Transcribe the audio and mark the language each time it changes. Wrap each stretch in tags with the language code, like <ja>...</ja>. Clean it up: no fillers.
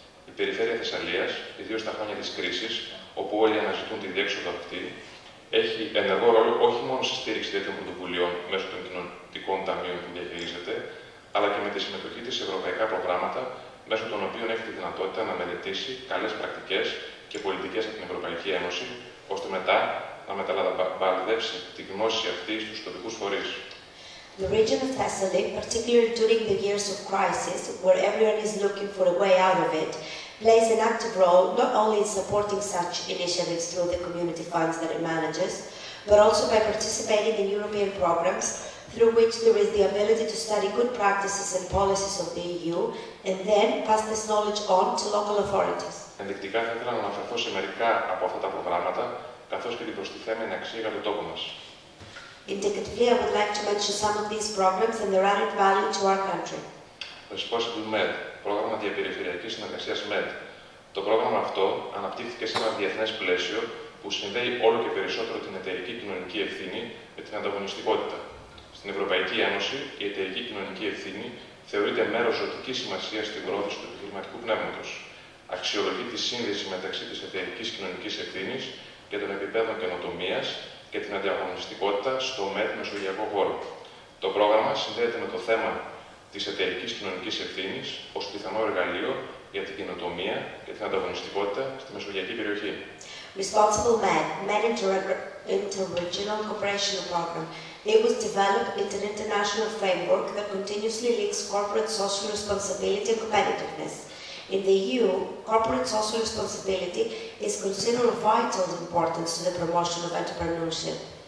<el>Η περιφέρεια Θεσσαλίας, ιδίως στα χρόνια της κρίσης, όπου όλοι αναζητούν τη διέξοδο αυτή, έχει ενεργό ρόλο όχι μόνο στη στήριξη τέτοιων πρωτοβουλειών μέσω των κοινωνικών ταμείων που διαχειρίζεται, αλλά και με τη συμμετοχή της σε ευρωπαϊκά προγράμματα, μέσω των οποίων έχει τη δυνατότητα να μελετήσει καλές πρακτικές και πολιτικές από την Ευρωπαϊκή Ένωση, ώστε μετά να μεταλαμβάνει τη γνώση αυτή στους τοπικούς φορείς.</el> <en>The region of Thessaly, particularly during the years of crisis, where everyone is looking for a way out of it, plays an active role not only in supporting such initiatives through the community funds that it manages, but also by participating in European programs through which there is the ability to study good practices and policies of the EU and then pass this knowledge on to local authorities.</en> <el>Ενδεικτικά θα ήθελα να αναφερθώ σε μερικά από αυτά τα προγράμματα, καθώς και την προστιθέμενη αξία για το τόπο μας.</el> <en>Indicatively, I would like to mention some of these programs and their added value to our country.</en> <el>Responsible Med, πρόγραμμα διαπεριφερειακής συνεργασίας Med. Το πρόγραμμα αυτό αναπτύχθηκε σε ένα διεθνές πλαίσιο που συνδέει όλο και περισσότερο την εταιρική κοινωνική ευθύνη με την ανταγωνιστικότητα. Στην Ευρωπαϊκή Ένωση, η εταιρική κοινωνική ευθύνη θεωρείται μέρος ζωτικής σημασίας στην πρόοδο του επιχειρηματικού πνεύματος. Αξιολογεί τη σύνδεση μεταξύ της εταιρικής κοινωνικής ευθύνης και των επιπέδων καινοτομίας και την ανταγωνιστικότητα στο ΜΕΤ μεσογειακό χώρο. Το πρόγραμμα συνδέεται με το θέμα της εταιρικής κοινωνικής ευθύνης ως πιθανό εργαλείο για την καινοτομία και την ανταγωνιστικότητα στη μεσογειακή περιοχή.</el> <en>Responsible Med, Med Interregional Cooperation Program. It was developed in an international framework that continuously links corporate social responsibility and competitiveness. In the EU, corporate social responsibility is considered of vital importance to the promotion of entrepreneurship.</en>